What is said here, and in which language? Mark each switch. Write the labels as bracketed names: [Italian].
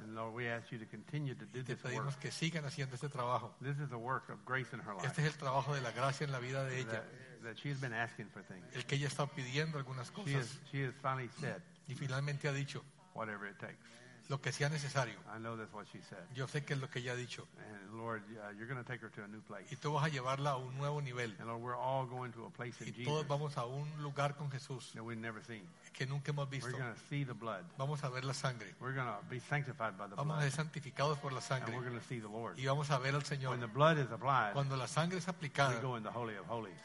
[English] And Lord, we ask you to continue to do [Spanish] te pedimos [English] this work. [Spanish] Que sigan haciendo este trabajo. [English] This is the work of grace in her life. [Spanish] Este es el trabajo de la gracia en la vida de ella. [English] That she's been asking for things. [Spanish] El que ella está pidiendo algunas cosas. [English] She has finally said. [Spanish] Y finalmente ha dicho. [English] Whatever it takes. [Spanish] Lo que sea necesario. [English] I know that's what she said. [Spanish] Yo sé que es lo que ella ha dicho. [English] And Lord, you're going to take her to a new place. [Spanish] Y tú vas a llevarla a un nuevo nivel. [English] And Lord, we're all going to a place in Jesus. [Spanish] Y todos vamos a un lugar con Jesús. [English] That we've never seen. [Spanish] Que nunca hemos visto. [English] We're going to see the blood. [Spanish] Vamos a ver la sangre. [English] We're going to be sanctified by the [Spanish] vamos Vamos a ser santificados por la sangre. [English] And we're going to see the Lord. [Spanish] Y vamos a ver al Señor. [English] When the blood is applied. [Spanish] Cuando la sangre es aplicada. [English] We go in the holy of holies.